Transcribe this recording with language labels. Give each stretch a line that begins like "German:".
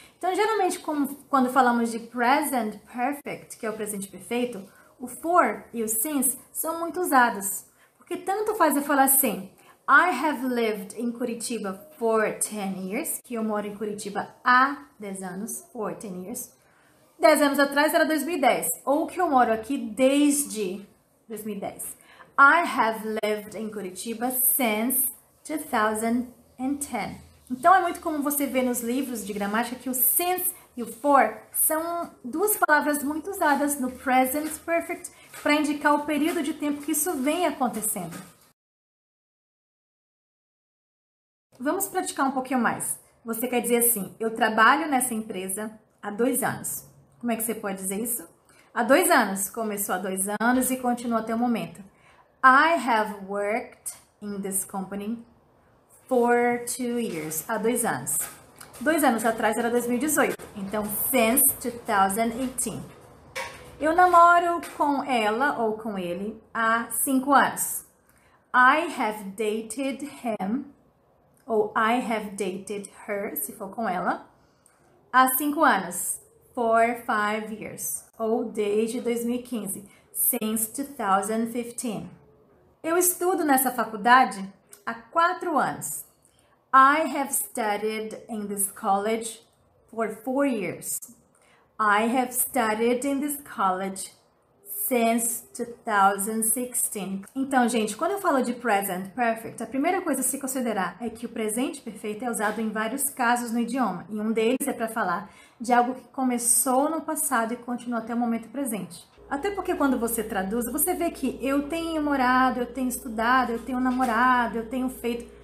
Portuguese: Então, geralmente, quando falamos de present perfect, que é o presente perfeito, o for e o since são muito usados, porque tanto faz eu falar assim:
English: I have lived in Curitiba for 10 years,
Portuguese: que eu moro em Curitiba há 10 anos,
English: for 10 years.
Portuguese: 10 anos atrás era 2010, ou que eu moro aqui desde 2010.
English: I have lived in Curitiba since 2010.
Portuguese: Então é muito comum você ver nos livros de gramática que o since e o for são duas palavras muito usadas no present perfect para indicar o período de tempo que isso vem acontecendo. Vamos praticar um pouquinho mais. Você quer dizer assim: eu trabalho nessa empresa há 2 anos. Como é que você pode dizer isso? Há 2 anos. Começou há 2 anos e continua até o momento.
English: I have worked in this company for 2 years.
Portuguese: Há 2 anos. 2 anos atrás era 2018. Então,
English: since 2018.
Portuguese: Eu namoro com ela ou com ele há 5 anos.
English: I have dated him.
Portuguese: Ou
English: I have dated her,
Portuguese: se for com ela, há 5 anos.
English: For 5 years.
Portuguese: Ou desde 2015.
English: Since 2015.
Portuguese: Eu estudo nessa faculdade há 4 anos.
English: I have studied in this college for 4 years. I have studied in this college since 2016.
Portuguese: Então, gente, quando eu falo de present perfect, a primeira coisa a se considerar é que o presente perfeito é usado em vários casos no idioma, e um deles é para falar de algo que começou no passado e continua até o momento presente. Até porque quando você traduz, você vê que eu tenho morado, eu tenho estudado, eu tenho namorado, eu tenho feito.